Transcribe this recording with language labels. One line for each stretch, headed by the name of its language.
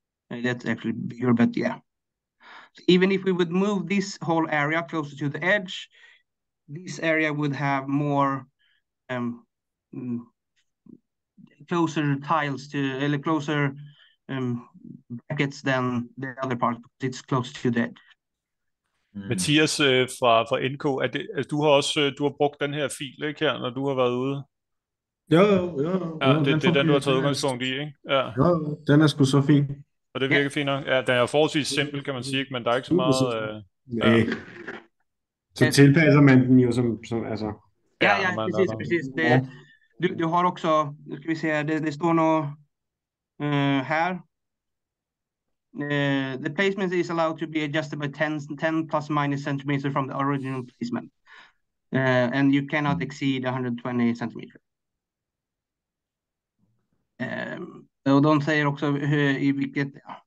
English: That's actually bigger, but yeah. So even if we would move this whole area closer to the edge, this area would have more closer tiles to, closer brackets than the other part, because it's close to that.
Danish: Mathias fra NK, er det, altså, du har brugt den her fil, ikke, her, når du har været ude? Ja, det er den, du har taget udgangspunkt i, ikke? Ja. Ja, den er sgu så fin. Og det virker fint nok. Ja, den er forholdsvis simpel, kan man sige, ikke? Men der er ikke så meget... Ja. Så tilpasser man den jo som altså... Ja, præcis. Du har også, skal vi se, det står noget her.
English: The placement is allowed to be adjusted by 10 plus minus centimeter from the original placement, and you cannot exceed 120 centimeter. So don't say it also if we get there.